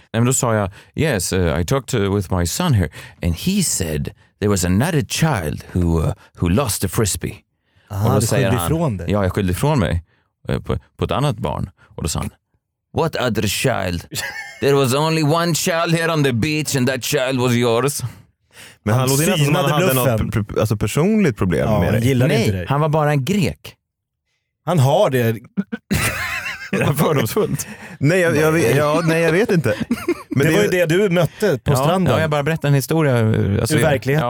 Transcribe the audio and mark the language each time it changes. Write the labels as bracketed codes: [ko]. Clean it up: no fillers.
[sv] Nej, men då sa jag, [en] yes, I talked with my son here and he said there was another child who lost the frisbee. [sv] Aha, och då säger han, ja, jag skyllde ifrån mig på ett annat barn. Och då sa han, [en] what other child? There was only one child here on the beach and that child was yours. [sv] Men han låg in att han hade bluffen. Något alltså personligt problem, ja, med han gillade nej, inte det. Han var bara en grek. Han har det. Är det fördomsfullt? Nej, jag vet inte. Men det var ju det du mötte på stranden. Ja, jag bara berättar en historia. Alltså, ur verkligheten.